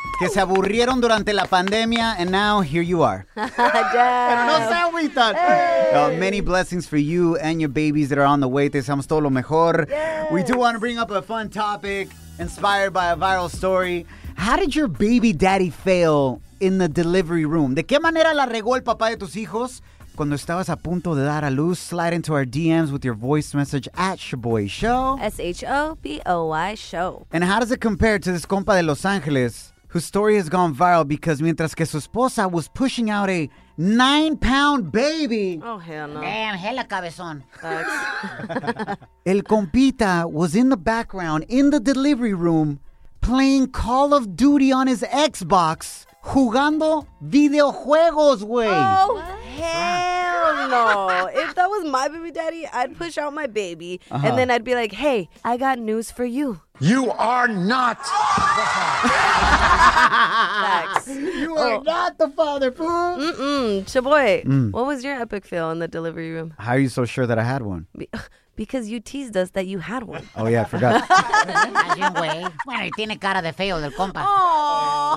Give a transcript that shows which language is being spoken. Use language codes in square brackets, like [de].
[es] Que se aburrieron durante la pandemia, [en] and now here you are. [es] Pero no se agüitan. [en] Many blessings for you and your babies that are on the way. [es] Te deseamos todo lo mejor. [en] Yes. We do want to bring up a fun topic inspired by a viral story. How did your baby daddy fail in the delivery room? [es] ¿De qué manera la regó el papá de tus hijos cuando estabas a punto de dar a luz? [en] Slide into our DMs with your voice message at Shaboy Show. Shaboy Show. And how does it compare to this compa de Los Angeles, whose story has gone viral because [es] mientras que su esposa [en] was pushing out a 9-pound baby. Oh, hell no. Damn, hella cabezón. El compita was in the background, in the delivery room, playing Call of Duty on his Xbox, [es] jugando videojuegos, güey. [en] Oh, what? Hell no. If that was my baby daddy, I'd push out my baby, uh-huh, and then I'd be like, hey, I got news for you. You are not the father. You are not the father, fool. Mm-mm. Shaboy, what was your epic fail in the delivery room? How are you so sure that I had one? Because you teased us that you had one. Oh, yeah, I forgot. Imagine, güey. [es] Bueno, y tiene cara de feo del compa.